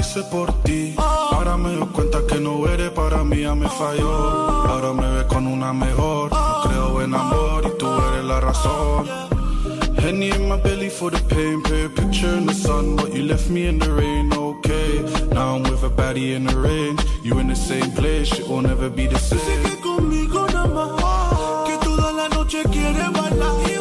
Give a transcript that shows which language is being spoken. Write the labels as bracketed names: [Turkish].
[Spanish] Por ti, ahora me doy cuenta que no eres para mí, ya me falló. Ahora me ves con una mejor, no creo en amor y tú eres la razón. [English] Henny in my belly for the pain, paint a picture in the sun, but you left me in the rain, okay. Now I'm with a baddie in the rain, you in the same place, shit will never be the same. [Spanish] Sigue conmigo nada más, que toda la noche quieres bailar.